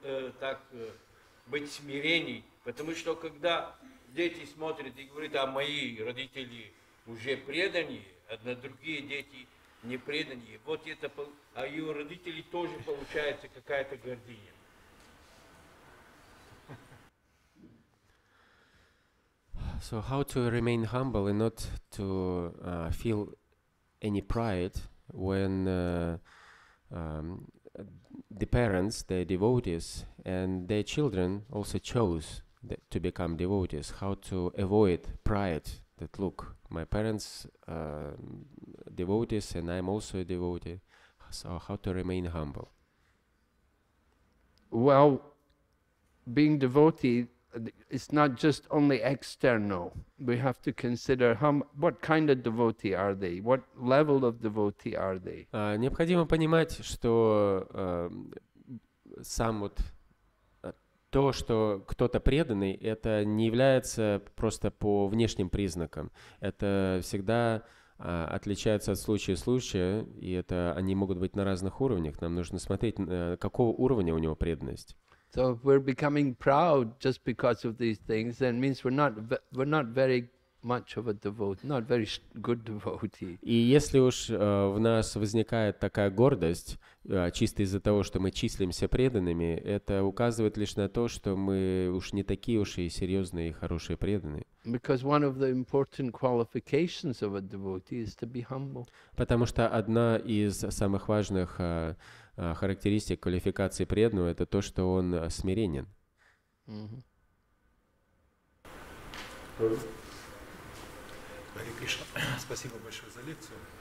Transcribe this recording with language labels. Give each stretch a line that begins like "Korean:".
Russian: Как быть смиренней? Потому что когда дети смотрят и говорят, а мои родители уже преданные, а на другие дети не преданные, вот это, а и у родителей тоже получается какая-то гордыня.
English: So how to remain humble and not to feel any pride when the parents, the devotees, and their children also chose to become devotees? How to avoid pride that, look, my parents are devotees and I'm also a devotee. So how to remain humble? Well, being devotee, it's not just only external. We have to consider what kind of devotee are they? What level of devotee are they?
Russian: Необходимо понимать, что сам вот то, что кто-то преданный, это не является просто по внешним признакам. Это всегда отличается от случая к случаю, и это они могут быть на разных уровнях. Нам нужно смотреть, какого уровня у него преданность.
English: So if we're becoming proud just because of these things, then it means we're not very much of a devotee, not very good devotee.
Russian: И если уж в нас возникает такая гордость, чисто из-за того, что мы числимся преданными, это указывает лишь на то, что мы уж не такие уж и серьезные и хорошие преданные.
English: Because one of the important qualifications of a devotee is to be humble.
Russian: Потому что одна из самых важных характеристик квалификации преданного — это то, что он смиренен. Хари Кришна, спасибо большое за лекцию.